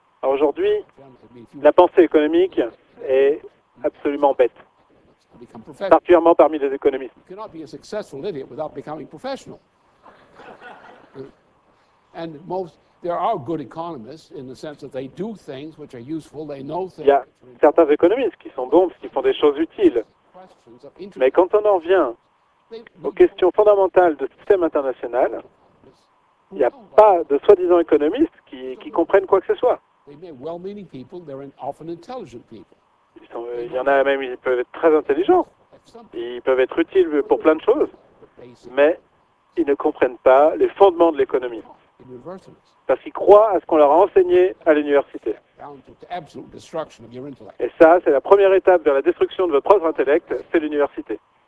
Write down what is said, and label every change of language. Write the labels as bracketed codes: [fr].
[fr] Aujourd'hui, la pensée économique est absolument bête. Particulièrement parmi les économistes. [en] You cannot be a successful idiot without becoming professional. And most, there are good economists in the sense that they do things which are useful, they know things. [fr] Il y a certains économistes qui sont bons parce qu'ils font des choses utiles. Mais quand on en vient aux questions fondamentales de système international, il n'y a pas de soi-disant économistes qui comprennent quoi que ce soit. [en] They may be well-meaning people, they're often intelligent people. [fr] Il y en a même, ils peuvent être très intelligents, ils peuvent être utiles pour plein de choses, mais ils ne comprennent pas les fondements de l'économie, parce qu'ils croient à ce qu'on leur a enseigné à l'université. Et ça, c'est la première étape vers la destruction de votre propre intellect, c'est l'université.